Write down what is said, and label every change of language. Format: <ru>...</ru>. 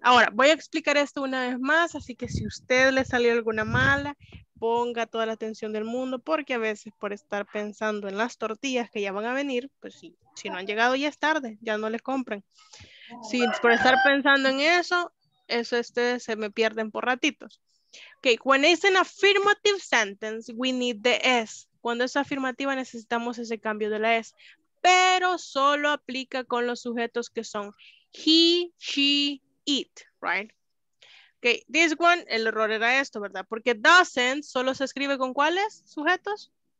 <es>Ahora, voy a explicar esto una vez más, así que si a usted le salió alguna mala, ponga toda la atención del mundo, porque a veces por estar pensando en las tortillas que ya van a venir, pues si no han llegado ya es tarde, ya no les compren. Si por estar pensando en eso, ustedes se me pierden por ratitos.</es> <en>Okay, when it's an affirmative sentence, we need the S.</en> <es>Cuando es afirmativa necesitamos ese cambio de la S, pero solo aplica con los sujetos que son he, she, it, right?</es> <en>Okay, this one,</en> <es>el error era esto, ¿verdad? Porque doesn't solo se escribe con ¿cuáles sujetos?</es>